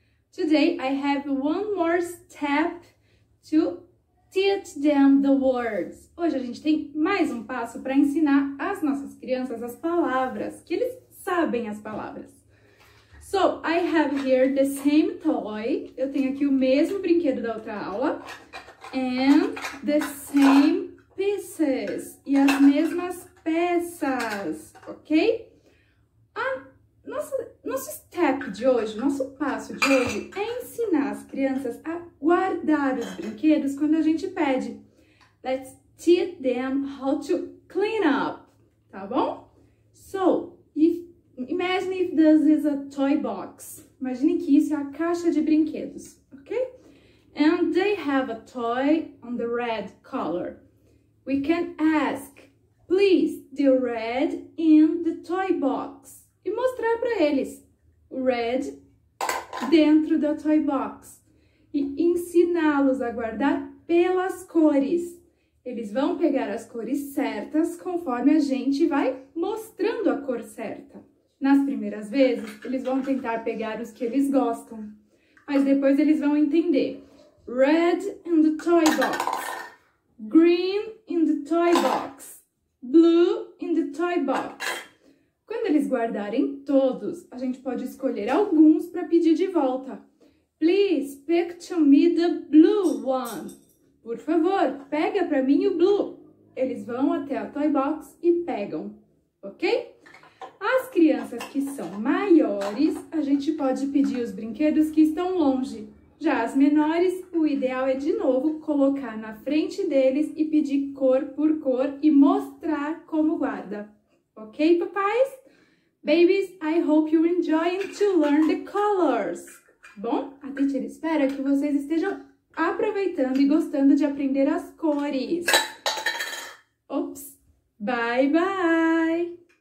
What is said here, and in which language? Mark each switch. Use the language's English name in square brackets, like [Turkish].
[English] Today, I have one more step to teach them the words. [Portuguese] Hoje, a gente tem mais um passo para ensinar as nossas crianças as palavras, que eles sabem as palavras. [English] So, I have here the same toy. [Portuguese] Eu tenho aqui o mesmo brinquedo da outra aula. [English] And the same pieces. [Portuguese] E as mesmas peças, ok? Nosso step de hoje, nosso passo de hoje é ensinar as crianças a guardar os brinquedos quando a gente pede. [English] Let's teach them how to clean up, [Portuguese] tá bom? [English] So, imagine if this is a toy box. [Portuguese] Imagine que isso é a caixa de brinquedos, ok? [English] And they have a toy on the red color. We can ask, please, the red in the toy box. [Portuguese] E mostrar para eles o red dentro da [English] toy box. [Portuguese] E ensiná-los a guardar pelas cores. Eles vão pegar as cores certas conforme a gente vai mostrando a cor certa. Nas primeiras vezes, eles vão tentar pegar os que eles gostam. Mas depois eles vão entender. [English] Red in the toy box. Green in the toy box. Blue in the toy box. [Portuguese] Quando eles guardarem todos, a gente pode escolher alguns para pedir de volta. [English] Please pick to me the blue one. [Portuguese] Por favor, pega para mim o blue. Eles vão até a [English] toy box [Portuguese] e pegam, ok? As crianças que são maiores, a gente pode pedir os brinquedos que estão longe. Já as menores, o ideal é, de novo, colocar na frente deles e pedir cor por cor e mostrar como guarda. Ok, papais? [English] Babies, I hope you're enjoying to learn the colors. [Portuguese] Bom, a teacher espera que vocês estejam aproveitando e gostando de aprender as cores. Ops! [English] Bye, bye!